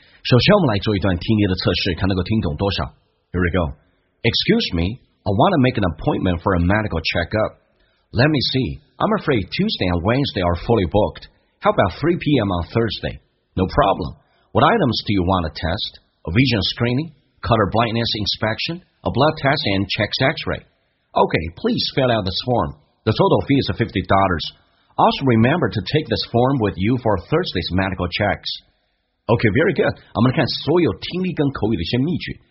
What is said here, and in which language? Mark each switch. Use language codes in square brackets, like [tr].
[zh] 首先我们来做一段听力的测试，看能够听懂多少。 [en] Here we go. Excuse me, I want to make an appointment for a medical checkup. Let me see, I'm afraid Tuesday and Wednesday are fully booked. How about 3 p.m. on Thursday? No problem. What items do you want to test? A vision screening, color blindness inspection, a blood test and chest x-ray. Okay, please fill out this form. The total fee is $50. Also remember to take this form with you for Thursday's medical checks. Okay, very good. [zh] 我们来看所有听力跟口语的一些秘诀。